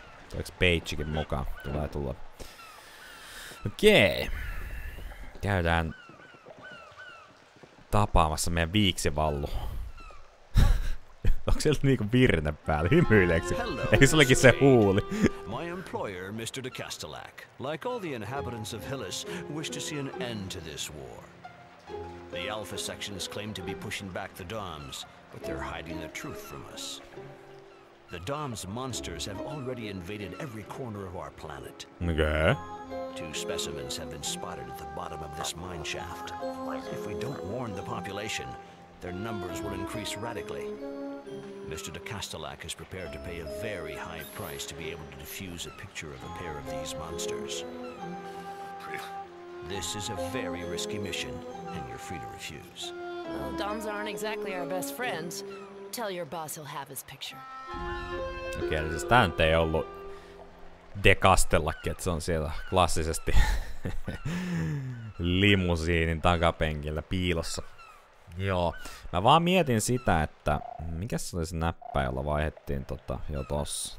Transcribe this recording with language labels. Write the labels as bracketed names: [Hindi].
[Finnish] Tuleeks Pagekin mukaan? Tulee tulla. Okei. Käydään... tapaamassa meidän viiksivallu. Onko sieltä niinku virne päällä? Hymyileeksi? Eikö se olikin se huuli? [English] My employer, Mr. de Castellac, like all the inhabitants of Hillis, wish to see an end to this war. The Alpha sections claim to be pushing back the Doms, but they're hiding the truth from us. The Doms' monsters have already invaded every corner of our planet. Okay. 2 specimens have been spotted at the bottom of this mineshaft. If we don't warn the population, their numbers will increase radically. Mr. de Castellac is prepared to pay a very high price to be able to defuse a picture of a pair of these monsters. This is a very risky mission, and you're free to refuse. Well, Doms aren't exactly our best friends. Tell your boss he'll have his picture. [Finnish] Okei, okay, siis tää nyt ei ollu de Castellac, et se on siellä klassisesti limusiinin takapenkillä piilossa. Joo. Mä vaan mietin sitä, että mikäs se oli se näppä, jolla vaihdettiin tota jo tossa.